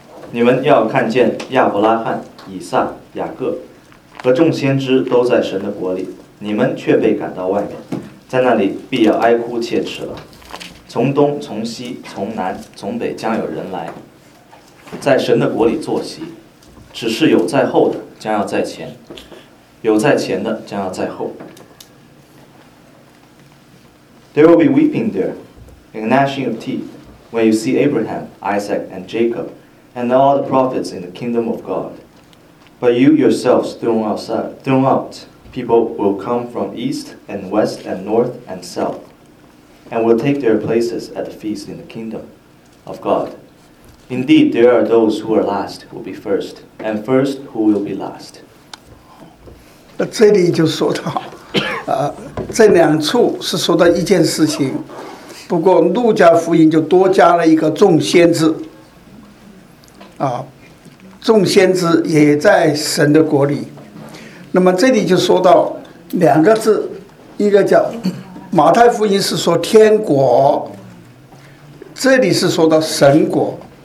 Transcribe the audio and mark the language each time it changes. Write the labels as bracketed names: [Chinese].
[Chinese] 你们要看见亚伯拉罕、以撒、雅各和众先知都在神的国里，你们却被赶到外面，在那里必要哀哭切齿了。从东、从西、从南、从北将有人来，在神的国里坐席，只是有在后的将要在前，有在前的将要在后。 [English] There will be weeping there and gnashing of teeth when you see Abraham, Isaac, and Jacob and all the prophets in the kingdom of God, but you yourselves thrown out, people will come from east and west and north and south and will take their places at the feast in the kingdom of GodIndeed, there are those who are last who will be first, and first who will be last. [Chinese] 那这里就说到，这两处是说到一件事情，不过路加福音就多加了一个众先知。众先知也在神的国里。那么这里就说到两个字，一个叫马太福音是说天国，这里是说到神国。